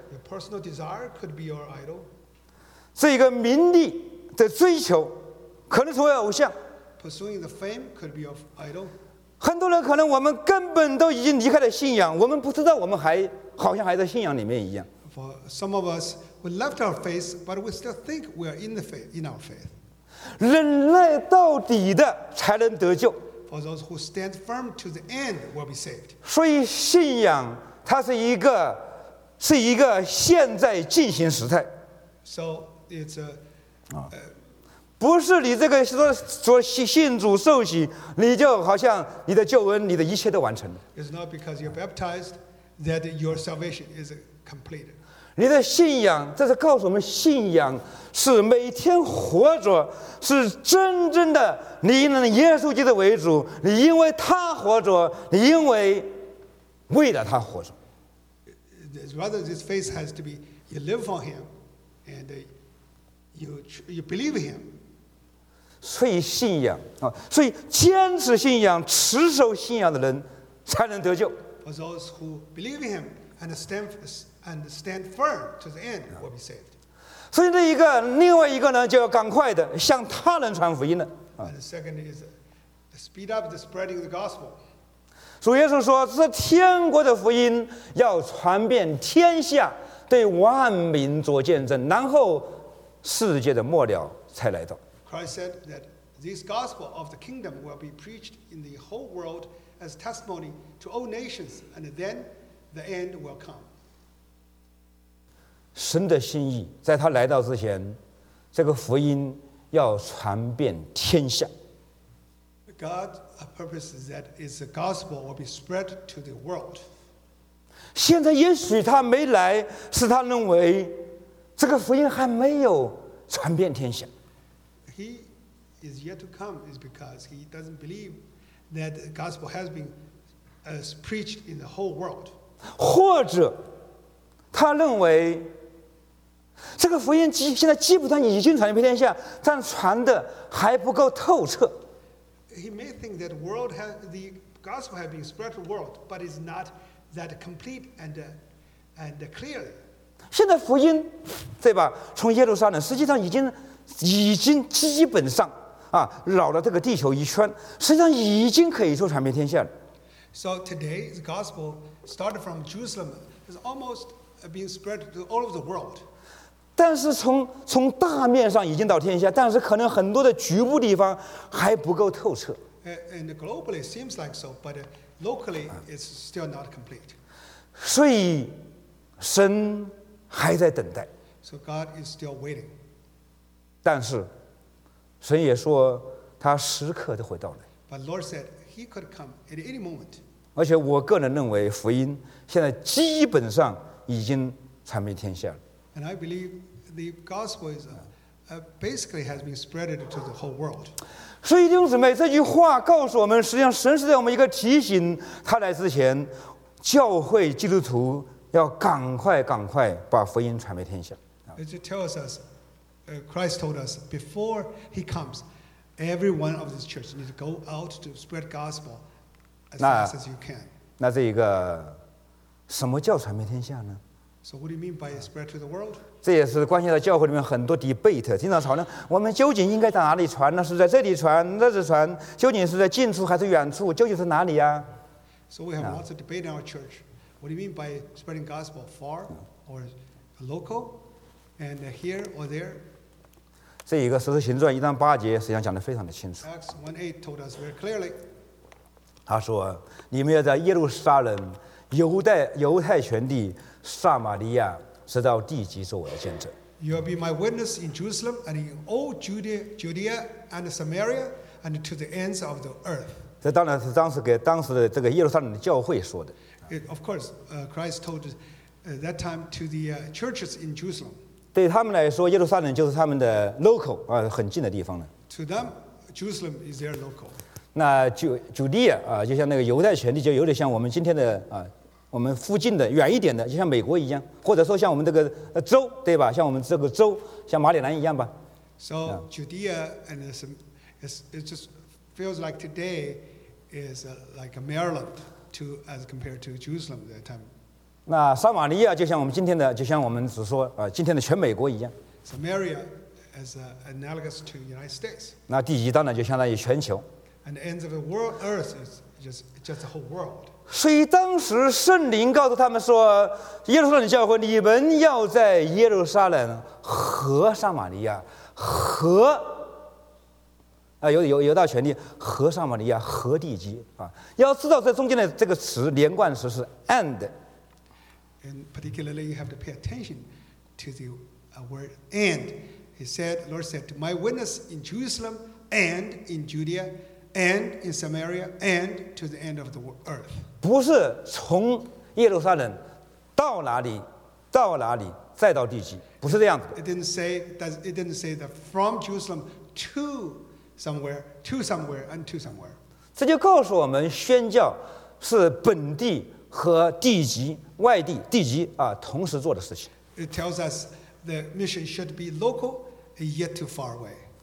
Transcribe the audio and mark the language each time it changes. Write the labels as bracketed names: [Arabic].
[English] Your personal desire could be your idol. [Chinese] 这一个名利的追求可能成为偶像。 [English] Pursuing the fame could be your idol. [Chinese] 很多人可能我们根本都已经离开了信仰，我们不知道我们还好像还在信仰里面一样。 [English] For some of us, we left our faith, but we still think we are in the faith, in our faith. [Chinese] 忍耐到底的才能得救。 [English] For those who stand firm to the end will be saved. [Chinese] 所以信仰它是一个现在进行时态。 [English] So it's a [Chinese] 不是你这个说信主受洗，你就好像你的救恩，你的一切都完成了。 [English] It's not because you're baptized that your salvation is completed. [Chinese] 你的信仰，这是告诉我们，信仰是每天活着，是真正的你以耶稣基督为主，你因为他活着，你因为为了他活着。 [English] Rather, this faith has to be you live for him, and you believe in him. [Chinese] 所以信仰，所以坚持信仰、持守信仰的人才能得救。 [English] for those who believe in him and stand firm to the end will be saved. [Chinese] 所以那一个另外一个呢，就要赶快的向他人传福音了。 [English] And the second is speed up the spreading of the gospel. [Chinese] 主耶稣说，这天国的福音要传遍天下，对万民做见证，然后世界的末了才来到。 [English] Christ said that this gospel of the kingdom will be preached in the whole world as testimony to all nations, and then the end will come. [Chinese] 神的心意，在他来到之前，这个福音要传遍天下。 [English] God's purpose is that his gospel will be spread to the world. [Chinese] 现在也许他没来，是他认为这个福音还没有传遍天下。 [English] He is yet to come is because he doesn't believe that the gospel has been preached in the whole world. [Chinese] 或者他认为这个福音现在基本上已经传遍天下，但传的还不够透彻。 [English] He may think that the gospel has been spread to the world, but it's not that complete and clear. [Chinese] 现在福音，对吧？从耶路撒冷，实际上已经基本上啊，绕了这个地球一圈，实际上已经可以说传遍天下了。 [English] So today, the gospel started from Jerusalem has almost been spread to all of the world. [Chinese] 但是从大面上已经到天下，但是可能很多的局部地方还不够透彻。 [English] And globally it seems like so, but locally it's still not complete. [Chinese] 所以神还在等待。 [English] So God is still waiting. [Chinese] 但是神也说他时刻都会到来。 [English] But Lord said he could come at any moment. [Chinese] 而且我个人认为福音现在基本上已经传遍天下了。 [English] And I believe the gospel is basically has been spread to the whole world. [Chinese] 所以弟兄姊妹，这句话告诉我们，实际上神是在我们一个提醒，他来之前，教会基督徒要赶快赶快把福音传遍天下。 [English] It tells us, Christ told us before he comes, every one of this church needs to go out to spread gospel as fast as you can. [Chinese] 那这一个什么叫传遍天下呢？ [English] So what do you mean by spread to the world? [Chinese] 这也是关系到教会里面很多 debate， 经常讨论我们究竟应该在哪里传呢？是在这里传，那里传？究竟是在近处还是远处？究竟是哪里呀？ [English] So we have lots of debate in our church. What do you mean by spreading gospel far or local and here or there? [Chinese] 这一个《使徒行传》一章八节实际上讲得非常的清楚。 [English] Acts 1:8 told us very clearly. [Chinese] 他说：“你们要在耶路撒冷、犹太全地。” 撒玛利亚直到地极做我的见证。 [English] You will be my witness in Jerusalem and in all Judea and Samaria and to the ends of the earth. [Chinese] 这当然是当时给当时的这个耶路撒冷的教会说的。 [English] Of course, Christ told that time to the churches in Jerusalem. [Chinese] 对他们来说，耶路撒冷就是他们的 local 啊，很近的地方了。 [English] To them, Jerusalem is their local. [Chinese] 那Judea 啊，就像那个犹太全地，就有点像我们今天的啊。我们附近的远一点的，就像美国一样，或者说像我们这个州，对吧？像我们这个州，像马里兰一样吧。 [English] So Judea and it just feels like today is like Maryland to as compared to Jerusalem that time. [Chinese] 那撒玛利亚就像我们今天的，就像我们只说今天的全美国一样。 [English] Samaria is analogous to United States. [Chinese] 那地极当然就相当于全球。 [English] And the ends of the world Earth is just the whole world. [Chinese] 所以当时圣灵告诉他们说，耶路撒冷教会，你们要在耶路撒冷和撒玛利亚和有道权利和撒玛利亚和地基啊，要知道在中间的这个词连贯词是 and。 [English] And particularly, you have to pay attention to the word and. He said, the Lord said, "My witness in Jerusalem and in Judea." And in Samaria, and to the end of the earth. [Chinese] 不是从耶路撒冷到哪里，到哪里，再到地极，不是这样子的。 [English] It didn't say that from Jerusalem to somewhere, and to somewhere. [Chinese] 这就告诉我们，宣教是本地和地极、外地、地极啊同时做的事情。 [English] It tells us the mission should be local, yet too far away.